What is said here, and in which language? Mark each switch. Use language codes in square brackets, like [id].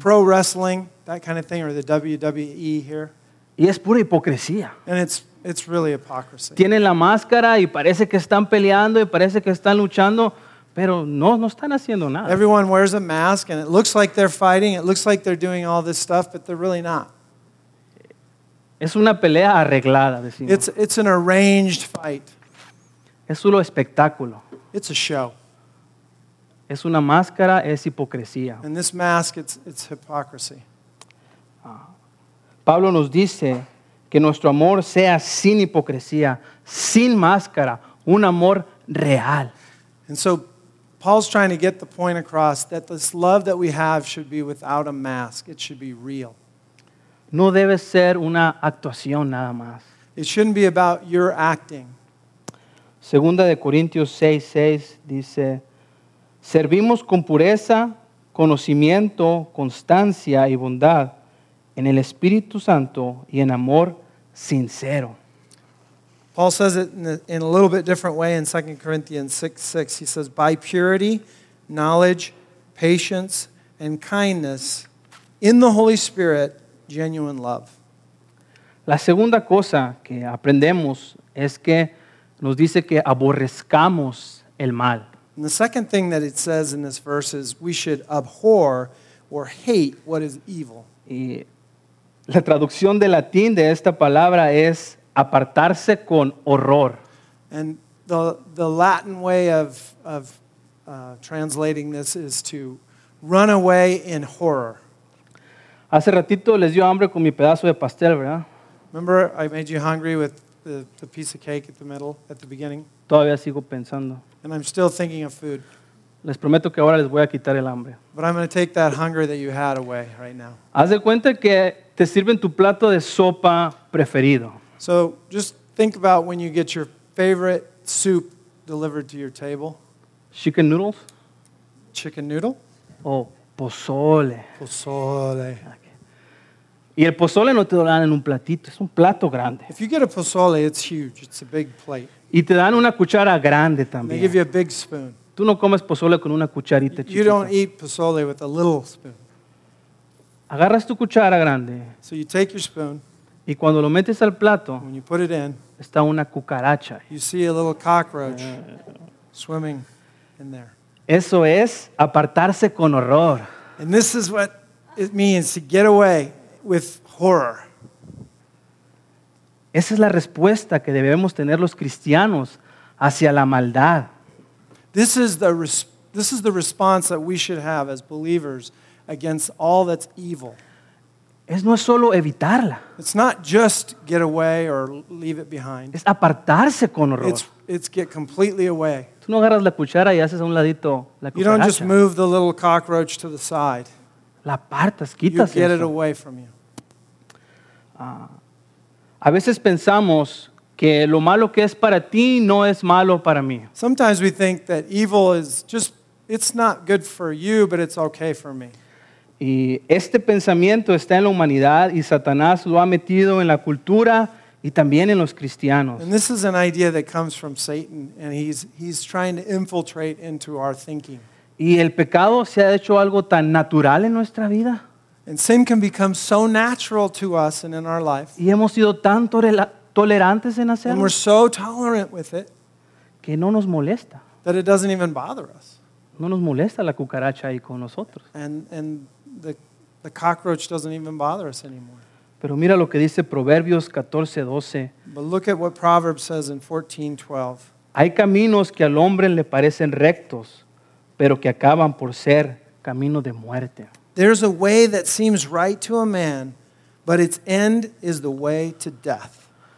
[en] pro wrestling, that kind of thing, or the WWE here. [es] Y es pura hipocresía. [en] And it's really hypocrisy. [es] Tienen la máscara y parece que están peleando y parece que están luchando. Pero no están haciendo nada. [en] Everyone wears a mask and it looks like they're fighting, it looks like they're doing all this stuff, but they're really not. [es] Es una pelea arreglada, decimos. [en] It's an arranged fight. [es] Es solo espectáculo. [en] It's a show. [es] Es una máscara, es hipocresía. [en] And this mask, it's hypocrisy. [es] Pablo nos dice que nuestro amor sea sin hipocresía, sin máscara, un amor real. [en] And so Paul's trying to get the point across that this love that we have should be without a mask. It should be real. [es] No debe ser una actuación nada más. [en] It shouldn't be about your acting. [es] Segunda de Corintios 6:6 dice, servimos con pureza, conocimiento, constancia y bondad en el Espíritu Santo y en amor sincero. [en] Paul says it in a little bit different way in 2 Corinthians 6:6. He says, by purity, knowledge, patience, and kindness, in the Holy Spirit, genuine love. [es] La segunda cosa que aprendemos es que nos dice que aborrezcamos el mal. [en] And the second thing that it says in this verse is we should abhor or hate what is evil. [es] Y la traducción de latín de esta palabra es apartarse con horror. [en] And the Latin way of translating this is to run away in horror. [es] Hace ratito les dio hambre con mi pedazo de pastel, ¿verdad? [en] Remember I made you hungry with the piece of cake at the middle, at the beginning? [es] Todavía sigo pensando. [en] And I'm still thinking of food. [es] Les prometo que ahora les voy a quitar el hambre. [en] But I'm going to take that hunger that you had away right now. [es] Haz de cuenta que te sirven tu plato de sopa preferido. [en] So just think about when you get your favorite soup delivered to your table. Chicken noodles? Chicken noodle? Oh, pozole. Pozole. [es] Okay. Y el pozole no te lo dan en un platito, es un plato grande. [en] If you get a pozole, it's huge. It's a big plate. [es] Y te dan una cuchara grande también. [en] They give you a big spoon. [es] Tú no comes pozole con una cucharita chiquita. [en] You don't eat pozole with a little spoon. [es] Agarras tu cuchara grande. [en] So you take your spoon. [es] Y cuando lo metes al plato, [en] when you put it in, [es] está una cucaracha. [en] You see a little cockroach swimming in there. [es] Eso es apartarse con horror. [en] And this is what it means to get away with horror. [es] Esa es la respuesta que debemos tener los cristianos hacia la maldad. [en] This is the response that we should have as believers against all that's evil. [es] Es no solo evitarla. [en] It's not just get away or leave it behind. [es] Es apartarse con horror. [en] It's get completely away. [es] Tú no agarras la cuchara y haces a un ladito la cucaracha. [en] You don't just move the little cockroach to the side. [es] La apartas, quitas eso. [en] You get it away from you. [es] A veces pensamos que lo malo que es para ti no es malo para mí. [en] Sometimes we think that evil is just, it's not good for you, but it's okay for me. [es] Y este pensamiento está en la humanidad y Satanás lo ha metido en la cultura y también en los cristianos. [en] And this is an idea that comes from Satan, and he's trying to infiltrate into our thinking. [es] Y el pecado se ha hecho algo tan natural en nuestra vida. [en] And sin can become so natural to us and in our life. [es] Y hemos sido tan tolerantes en hacerlo. [en] And we're so tolerant with it. [es] Que no nos molesta. [en] That it doesn't even bother us. [es] No nos molesta la cucaracha ahí con nosotros. [en] And the cockroach doesn't even bother us anymore. [es] Pero mira lo que dice Proverbios 14:12. [en] But look at what Proverbs says in 14:12. [es] Hay caminos que al hombre le parecen rectos, pero que acaban por ser camino de muerte. [en] There's a way that seems right to a man, but its end is the way to death.